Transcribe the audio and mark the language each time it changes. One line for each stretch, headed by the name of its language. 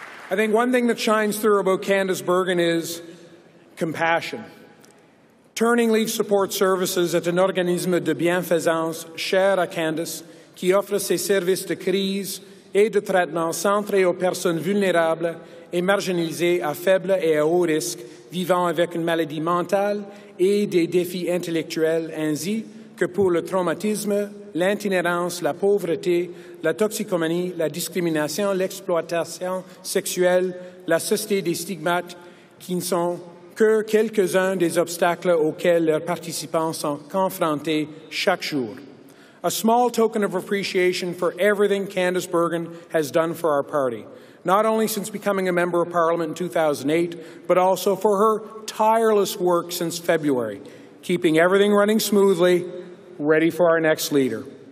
English: I think one thing that shines through about Candice Bergen is compassion.
French: Turning Leaf Support Services est un organisme de bienfaisance cher à Candice qui offre ses services de crise et de traitement centrés aux personnes vulnérables et marginalisées à faible et à haut risque vivant avec une maladie mentale et des défis intellectuels ainsi que pour le traumatisme, l'itinérance, la pauvreté, la toxicomanie, la discrimination, l'exploitation sexuelle, la société des stigmates, qui ne sont que quelques-uns des obstacles auxquels leurs participants sont confrontés chaque jour.
English: A small token of appreciation for everything Candice Bergen has done for our party, not only since becoming a member of Parliament in 2008, but also for her tireless work since February, keeping everything running smoothly, ready for our next leader.